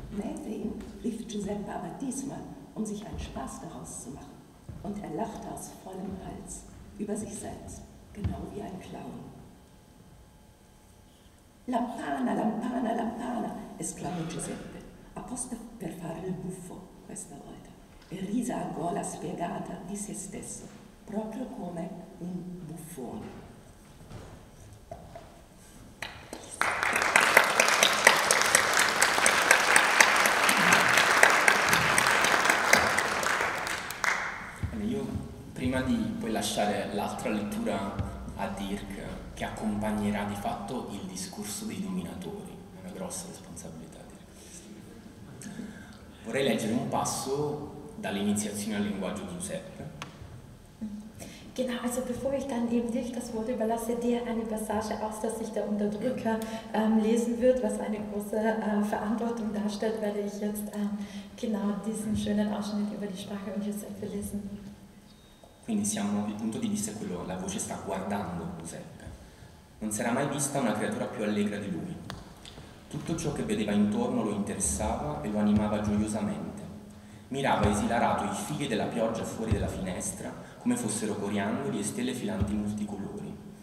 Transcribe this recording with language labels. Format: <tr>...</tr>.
<de>Mäterin, rief Giuseppe aber diesmal, um sich einen Spaß daraus zu machen. Und er lachte aus vollem Hals über sich selbst, genau wie ein Clown.</de> <it>Lampana, Lampana, Lampana, esclamò Giuseppe, apposta per fare il buffo questa volta. E rise a gola spiegata di se stesso, proprio come un buffone. Prima di poi lasciare l'altra lettura a Dirk, che accompagnerà di fatto il discorso dei dominatori, è una grossa responsabilità, Dirk. Vorrei leggere un passo dall'iniziazione al linguaggio di Giuseppe. Genau, also bevor ich dann eben dich das Wort überlasse, dir eine Passage aus, dass sich der Unterdrücker lesen wird, was eine große Verantwortung darstellt, werde ich jetzt genau diesen schönen Ausschnitt über die Sprache und Giuseppe lesen. Quindi siamo, il punto di vista è quello, la voce sta guardando Giuseppe. Non si era mai vista una creatura più allegra di lui. Tutto ciò che vedeva intorno lo interessava e lo animava gioiosamente. Mirava esilarato i fili della pioggia fuori della finestra, come fossero coriandoli e stelle filanti multicolori.</it>